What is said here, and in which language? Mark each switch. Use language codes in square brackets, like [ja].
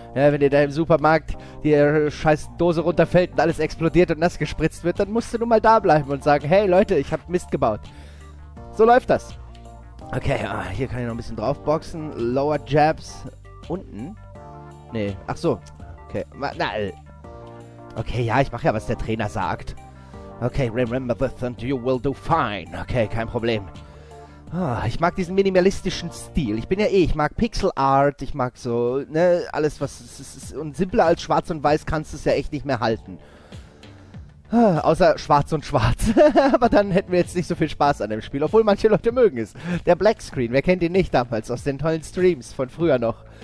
[de] Ja, wenn dir da im Supermarkt die scheiß Dose runterfällt und alles explodiert und nass gespritzt wird, dann musst du nun mal da bleiben und sagen, hey Leute, ich hab Mist gebaut. So läuft das. Okay, ja, hier kann ich noch ein bisschen draufboxen. Lower Jabs unten. Nee, ach so. Okay, na, okay, ja, ich mache ja, was der Trainer sagt. [en] Okay, remember this and you will do fine. [de] Okay, kein Problem. Oh, ich mag diesen minimalistischen Stil. Ich bin ja eh, ich mag Pixel Art, ich mag so, ne, alles was ist. Und simpler als schwarz und weiß kannst du es ja echt nicht mehr halten. Oh, außer schwarz und schwarz. Aber dann hätten wir jetzt nicht so viel Spaß an dem Spiel, obwohl manche Leute mögen es. Der Black Screen, wer kennt ihn nicht damals aus den tollen Streams von früher noch?